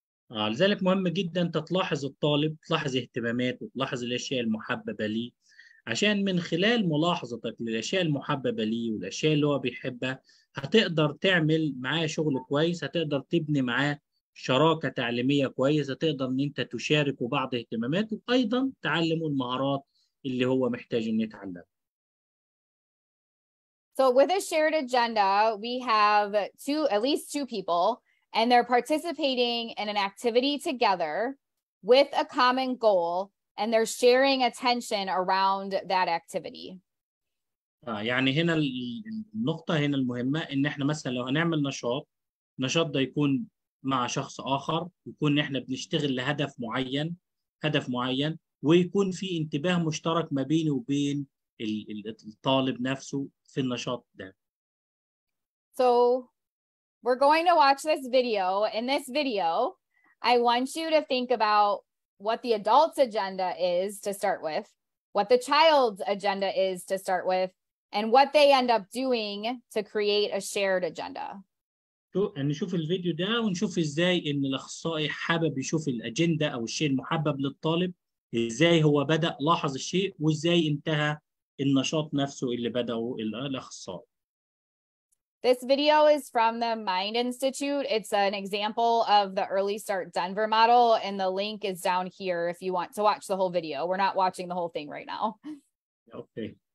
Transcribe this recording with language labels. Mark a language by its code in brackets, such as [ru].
[ar] لذلك مهم جدا تلاحظ الطالب، تلاحظ اهتماماته، تلاحظ الأشياء المحببة ليه، عشان من خلال ملاحظتك للأشياء المحببة ليه والأشياء اللي هو بيحبها هتقدر تعمل معاه شغل كويس، هتقدر تبني معاه شراكة تعليمية كويسة، هتقدر ان انت تشارك بعض اهتماماته وايضا تعلمه المهارات اللي هو محتاج ان يتعلمها. [en] So with a shared agenda, we have at least two people, and they're participating in an activity together with a common goal, and they're sharing attention around that activity. [ar] يعني هنا النقطة هنا المهمة إن إحنا مثلا لو هنعمل نشاط، النشاط ده يكون مع شخص آخر، يكون إحنا بنشتغل لهدف معين، هدف معين، ويكون في انتباه مشترك ما بيني وبين الطالب نفسه في النشاط ده. [en] So we're going to watch this video. In this video, I want you to think about what the adult's agenda is to start with, what the child's agenda is to start with, and what they end up doing to create a shared agenda. [ar] نشوف الفيديو ده ونشوف ازاي ان الاخصائي حابب يشوف الاجندة او الشيء المحبب للطالب، ازاي هو بدأ لاحظ الشيء وازاي انتهى النشاط نفسه اللي بدأه الاخصائي. [en] This video is from the Mind Institute. It's an example of the Early Start Denver model, and the link is down here if you want to watch the whole video. We're not watching the whole thing right now. Okay.